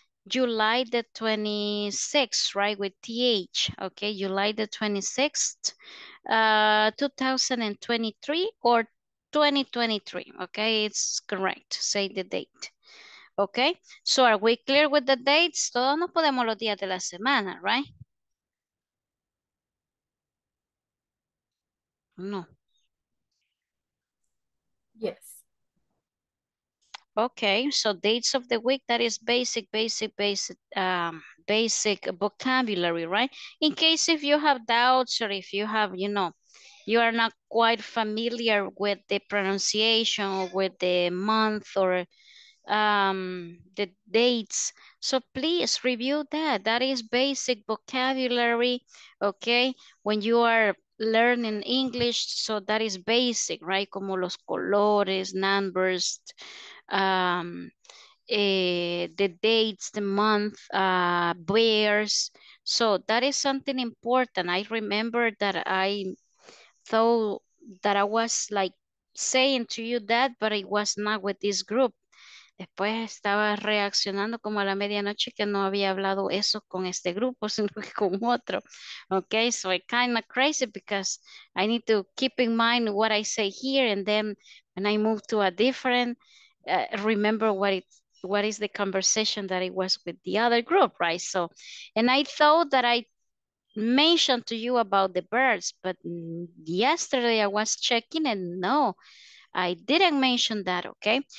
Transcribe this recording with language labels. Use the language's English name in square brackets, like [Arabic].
[English] July the 26th, right, with TH, okay, July the 26th, 2023 or 2023, okay, it's correct, say the date, okay, so are we clear with the dates? [Spanish] Todos no podemos los días de la semana, right? No. [English] Yes. Okay, so dates of the week, that is basic vocabulary, right? In case if you have doubts or if you have, you know, you are not quite familiar with the pronunciation or with the month or the dates. So please review that. That is basic vocabulary, okay? When you are learning English, so that is basic, right? [Spanish] Como los colores, [English] numbers, the dates, the month, bears. So that is something important. I remember that I thought that I was like saying to you that, but it was not with this group. [Spanish] Después estaba reaccionando como a la medianoche que no había hablado eso con este grupo, sino que con otro. [English] Okay, so it's kind of crazy because I need to keep in mind what I say here, and then when I move to a different, remember what is the conversation that it was with the other group, right? So, and I thought that I mentioned to you about the birds, but yesterday I was checking and no, I didn't mention that, okay?